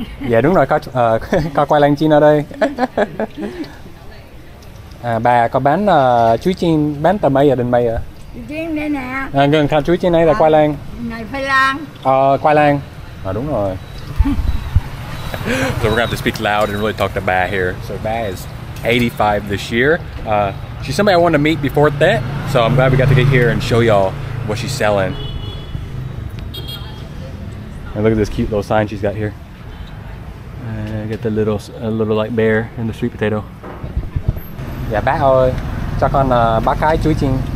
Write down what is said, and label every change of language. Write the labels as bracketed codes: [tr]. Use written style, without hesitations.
[vi] Yeah, đúng rồi, có khoai lang chiên ở đây. Bà có bán chuối chiên, bán tầm mấy giờ đến mấy giờ? Chuối chiên đây nè. À, gần chuối chiên đây là khoai lang. Này khoai lang. Khoai lang. À đúng rồi. [en] So we're gonna have to speak loud and really talk to Ba here. So Ba is 85 this year. She's somebody I wanted to meet before that. So I'm glad we got to get here and show y'all what she's selling. And look at this cute little sign she's got here. Get the little like bear and the sweet potato. [vi] Yeah, Ba ơi, cho con ba cái chuối chiên.